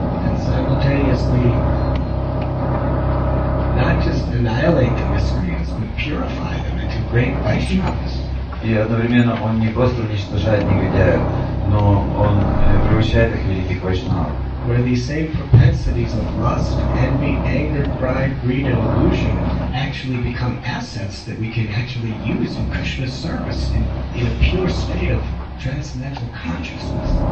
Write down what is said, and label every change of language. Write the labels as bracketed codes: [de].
[en] And simultaneously, not just annihilate the miscreants, but purify them into great Vaishnavas. [ru] И одновременно Он не просто уничтожает негодяев, но Он превращает их в великих вайшнав. [en] Where these same propensities of lust, envy, anger, pride, greed, and illusion actually become assets that we can actually use in Krishna's service in a pure state of transcendental consciousness.